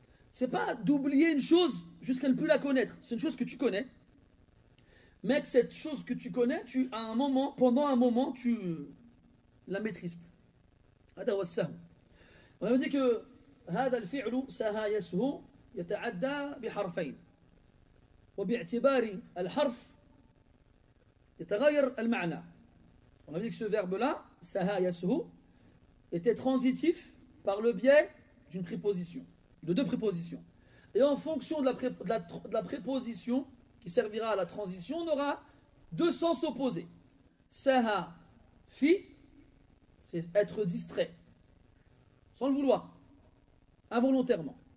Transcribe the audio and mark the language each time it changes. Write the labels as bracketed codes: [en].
[fr] C'est pas d'oublier une chose jusqu'à ne plus la connaître. C'est une chose que tu connais. Mais que cette chose que tu connais, pendant un moment, tu la maîtrises plus. [ar] هذا هو السهو. [fr] On avait dit que [ar] هذا الفعل سها يسهو يتعدى بحرفين وباعتبار الحرف يتغير المعنى. [fr] On a dit que ce verbe là saha yasuhu était transitif par le biais d'une préposition, de deux prépositions, et en fonction de la préposition qui servira à la transition, on aura deux sens opposés. Saha fi, c'est être distrait sans le vouloir, involontairement.